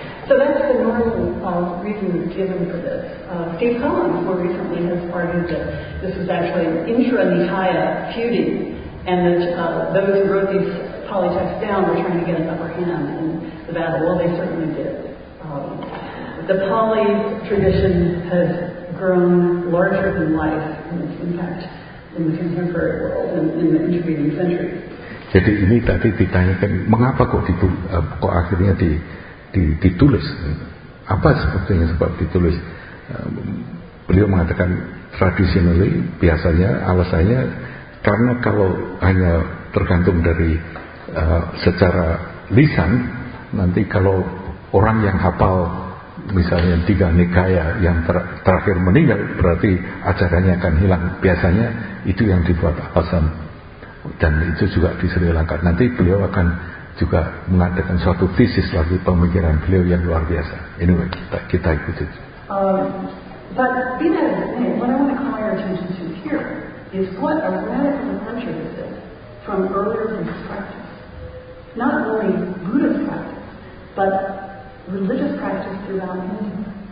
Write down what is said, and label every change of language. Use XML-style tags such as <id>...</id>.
<en>So that's the normal reason given for this. Steve Collins more recently has argued that this was actually an intra-Nikaya feuding, and that those who wrote these Pali texts down were trying to get an upper hand in the battle. Well, they certainly did. The Pali tradition has grown larger than life in its impact in the contemporary world in the intervening centuries.</en> <id>Jadi ini tadi ditanyakan, mengapa kok akhirnya ditulis, apa sebetulnya sebab ditulis? Beliau mengatakan</id> <en>traditionally</en> <id>biasanya alasannya karena kalau hanya tergantung dari secara lisan, nanti kalau orang yang hafal misalnya tiga nikaya yang terakhir meninggal, berarti ajarannya akan hilang. Biasanya itu yang dibuat alasan, dan itu juga diselilangkan. Nanti beliau akan juga mengatakan suatu tesis lagi pemikiran beliau yang luar biasa.</id> <en>Anyway,</en> <id>kita ikuti.</id> <en>But be that as it may, what I want to call your attention to here is what a radical departure this is from earlier Buddhist practice. Not only Buddhist practice, but religious practice throughout India.</en>